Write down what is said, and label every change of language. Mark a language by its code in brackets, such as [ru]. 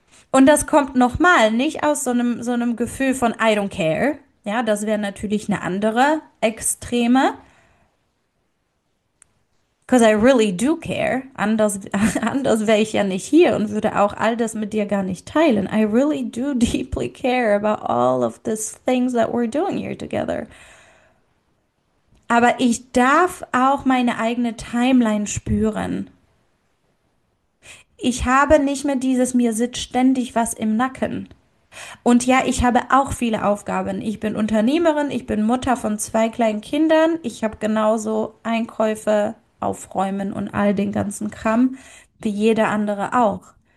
[de] Und das kommt nochmal nicht aus so einem Gefühl von [en] I don't care. [de] Ja, das wäre natürlich eine andere Extreme. [en] Because I really do care. [de] Anders wäre ich ja nicht hier und würde auch all das mit dir gar nicht teilen. [en] I really do deeply care about all of these things that we're doing here together. [de] Aber ich darf auch meine eigene Timeline spüren. Ich habe nicht mehr dieses, mir sitzt ständig was im Nacken. Und ja, ich habe auch viele Aufgaben. Ich bin Unternehmerin, ich bin Mutter von zwei kleinen Kindern, ich habe genauso Einkäufe, Aufräumen und all den ganzen Kram wie jeder andere auch.